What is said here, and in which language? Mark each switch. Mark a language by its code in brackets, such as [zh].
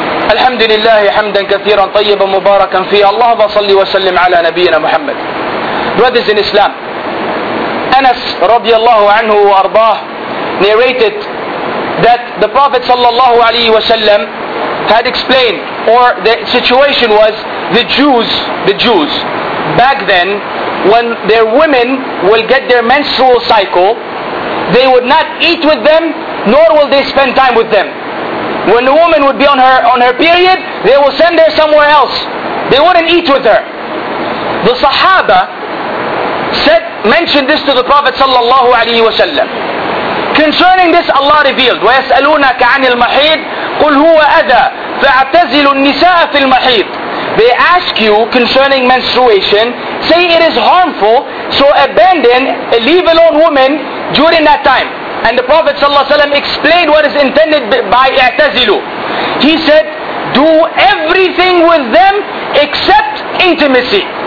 [ar] الحمد لله حمدا كثيرا طيبا مباركا فيه اللهم صل وسلم على نبينا محمد. [en] Brothers in Islam, Anas رضي الله عنه وارضاه narrated that the Prophet صلى الله عليه وسلم had explained, or the situation was the Jews back then, when their women will get their menstrual cycle, they would not eat with them nor will they spend time with them. When the woman would be on her period, they will send her somewhere else. They wouldn't eat with her. The Sahaba mentioned this to the Prophet sallallahu alaihi wasallam. Concerning this, Allah revealed, [ar] وَيَسْأَلُونَكَ عَنِ الْمَحِيضِ قُلْ هُوَ أَذَى فَاعْتَزِلُ النِّسَاءَ فِي الْمَحِيضِ. [en] They ask you concerning menstruation, say it is harmful, so abandon, leave alone women during that time. And the Prophet ﷺ explained what is intended by i'tazilu. He said, do everything with them except intimacy.